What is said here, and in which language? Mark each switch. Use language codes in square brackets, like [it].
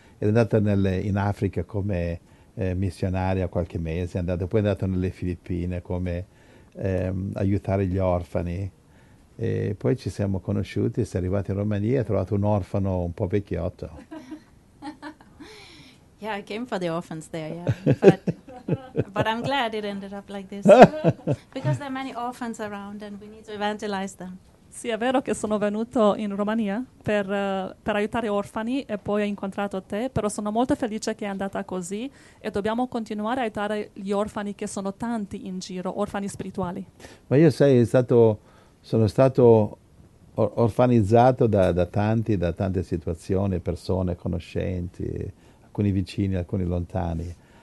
[it] Era andata in Africa come missionaria qualche mese, poi è andata nelle Filippine come aiutare gli orfani. E poi ci siamo conosciuti, sei arrivato in Romania e hai trovato un orfano un po' vecchiotto. [en] Yeah, I came for the orphans there, yeah. But I'm glad it ended up like this. Because there are many orphans around and we need to evangelize them. [it] Sì, è vero che sono venuto in Romania per aiutare orfani e poi ho incontrato te, però sono molto felice che è andata così e dobbiamo continuare a aiutare gli orfani che sono tanti in giro, orfani spirituali. Ma io sai, sono stato orfanizzato da tante situazioni, persone, conoscenti, alcuni vicini, alcuni lontani.